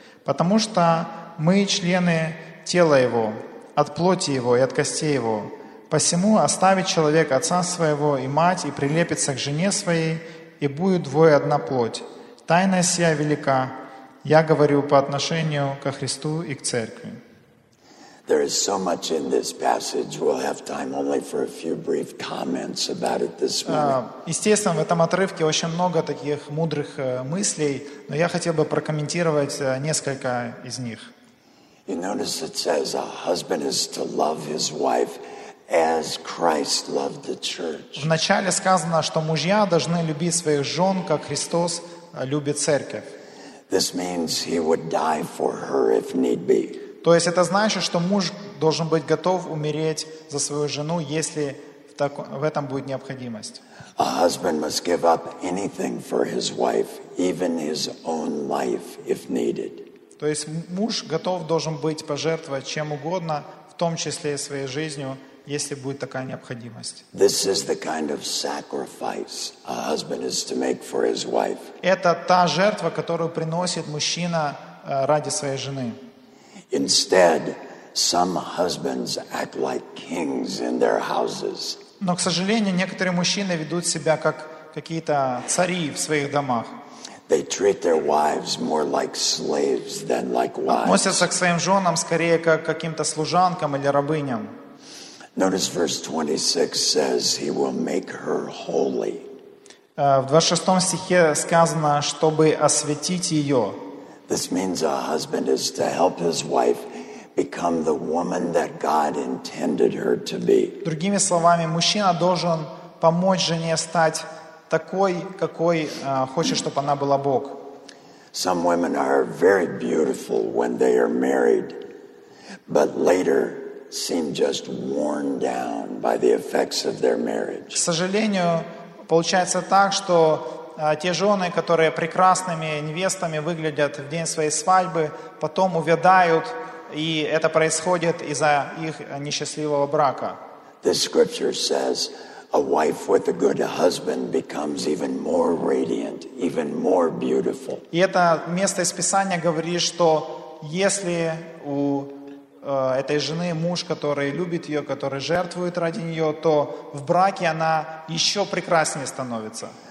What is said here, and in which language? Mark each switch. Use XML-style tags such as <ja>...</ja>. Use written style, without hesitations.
<ru>Потому что мы члены тела Его, от плоти Его и от костей Его. Посему оставит человек отца своего и мать, и прилепится к жене своей, и будет двое одна плоть. Тайна сия велика, я говорю по отношению ко Христу и к церкви.</ru> <en>There is so much in this passage. We'll have time only for a few brief comments about it this morning.</en> <ru>Естественно, в этом отрывке очень много таких мудрых мыслей, но я хотел бы прокомментировать несколько из них.</ru> <en>You notice it says a husband is to love his wife as Christ loved the church.</en> <ru>Вначале сказано, что мужья должны любить своих жен, как Христос любит церковь.</ru> <en>This means he would die for her if need be.</en> <ru>То есть это значит, что муж должен быть готов умереть за свою жену, если в этом будет необходимость.</ru> <en>A husband must give up anything for his wife, even his own life, if needed.</en> <ru>То есть муж готов должен быть пожертвовать чем угодно, в том числе и своей жизнью, если будет такая необходимость.</ru> <en>This is the kind of sacrifice a husband is to make for his wife.</en> <ru>Это та жертва, которую приносит мужчина ради своей жены.</ru> <en>Instead, some husbands act like kings in their houses.</en> <ru>Но, к сожалению, некоторые мужчины ведут себя как какие-то цари в своих домах.</ru> <en>They treat their wives more like slaves than like wives.</en> <ru>Относятся к своим женам скорее как к каким-то служанкам или рабыням.</ru> <en>Notice verse 26 says he will make her holy.</en> <ru>В 26 стихе сказано, чтобы освятить ее.</ru> <en>This means a husband is to help his wife become the woman that God intended her to be.</en> <ru>Другими словами, мужчина должен помочь жене стать такой, какой хочет, чтобы она была Бог.</ru> <en>Some women are very beautiful when they are married, but later seem just worn down by the effects of their marriage.</en> <ru>К сожалению, получается так, что те жены, которые прекрасными невестами выглядят в день своей свадьбы, потом увядают, и это происходит из-за их несчастливого брака.</ru> <en>This scripture says, a wife with a good husband becomes even more radiant, even more beautiful.</en> <ru>И это место из Писания говорит, что если у этой жены муж, который любит ее, который жертвует ради нее, то в браке она еще прекраснее становится.</ru>